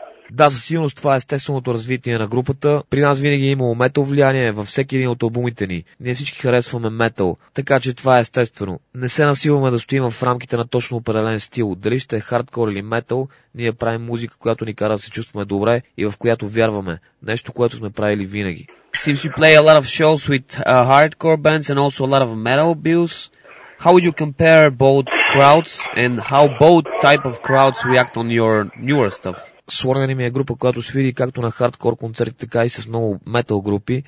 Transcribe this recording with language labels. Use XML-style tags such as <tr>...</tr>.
<bg>да, със сигурност това е естественото развитие на групата. При нас винаги е имало метал влияние във всеки един от албумите ни. Ние всички харесваме метал, така че това е естествено. Не се насилваме да стоим в рамките на точно определен стил. Дали ще е хардкор или метал, ние правим музика, която ни кара да се чувстваме добре и в която вярваме. Нещо, което сме правили винаги.</bg> <en>Seems you play a lot of shows with hardcore bands and also a lot of metal bills. How would you compare both crowds and how both type of crowds react on your newer stuff?</en> <bg>Sworn Enemy е група, която свири както на хардкор концерти, така и с много метал групи.</bg>